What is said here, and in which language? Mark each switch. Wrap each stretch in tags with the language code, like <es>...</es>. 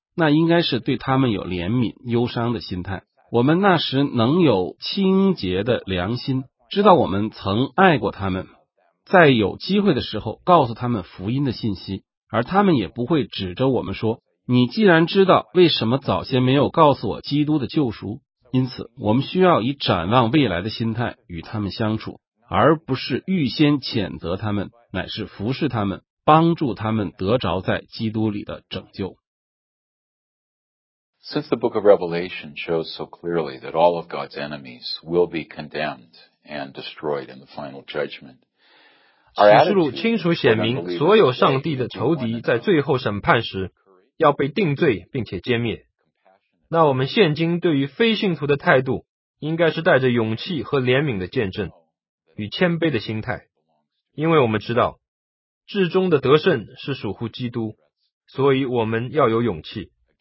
<zh>那应该是对他们有怜悯忧伤的心态。我们那时能有清洁的良心，知道我们曾爱过他们，在有机会的时候告诉他们福音的信息，而他们也不会指着我们说，你既然知道，为什么早先没有告诉我基督的救赎？因此我们需要以展望未来的心态与他们相处，而不是预先谴责他们，乃是服侍他们，帮助他们得着在基督里的拯救。</zh> <en>Since the book of Revelation shows so clearly that all of God's enemies will be condemned and destroyed in the final judgment,</en> <zh>启示录清楚显明所有上帝的仇敌在最后审判时要被定罪并且歼灭。那我们现今对于非信徒的态度应该是带着勇气和怜悯的见证与谦卑的心态，因为我们知道至终的得胜是属乎基督，所以我们要有勇气。</zh>